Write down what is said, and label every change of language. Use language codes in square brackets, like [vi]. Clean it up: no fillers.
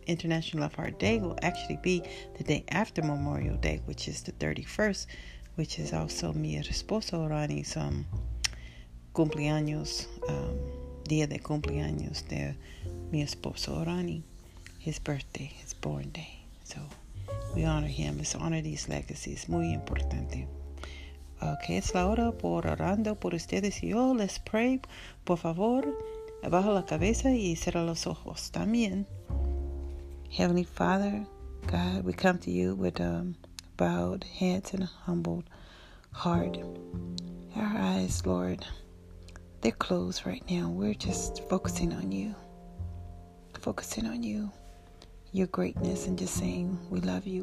[en] International Love Heart Day will actually be the day after Memorial Day, which is the 31st, which is also [es] mi esposo Rani's cumpleaños, día de cumpleaños de mi esposo Rani, [en] his birthday, his born day. So we honor him. Let's honor these legacies. [es] Muy importante. Okay, es la hora por orando por ustedes y yo. [en] Let's pray, [es] por favor, abajo la cabeza y cierra los ojos también. [en] Heavenly Father, God, we come to you with bowed heads and humbled heart, our eyes, Lord, they're closed right now. We're just focusing on you. Focusing on you, your greatness, and just saying we love you.